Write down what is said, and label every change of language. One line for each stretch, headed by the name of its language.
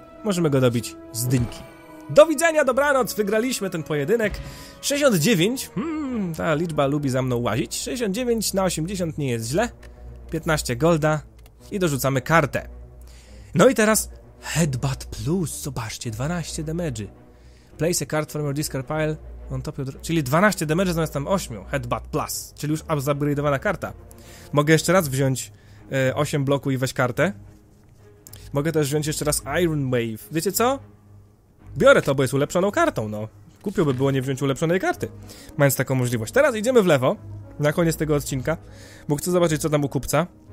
Polish: Możemy go dobić z dynki. Do widzenia, dobranoc, wygraliśmy ten pojedynek. 69, ta liczba lubi za mną łazić. 69 na 80 nie jest źle. 15 golda i dorzucamy kartę. No i teraz Headbutt Plus, zobaczcie, 12 damage.
English: Place a card from your discard pile on top your...
Polish: Czyli 12 damage zamiast tam 8, Headbutt Plus. Czyli już upgrade'owana karta. Mogę jeszcze raz wziąć 8 bloku i weź kartę. Mogę też wziąć jeszcze raz Iron Wave, wiecie co? Biorę to, bo jest ulepszoną kartą, no. Głupio by było nie wziąć ulepszonej karty, mając taką możliwość. Teraz idziemy w lewo, na koniec tego odcinka, bo chcę zobaczyć, co tam u kupca.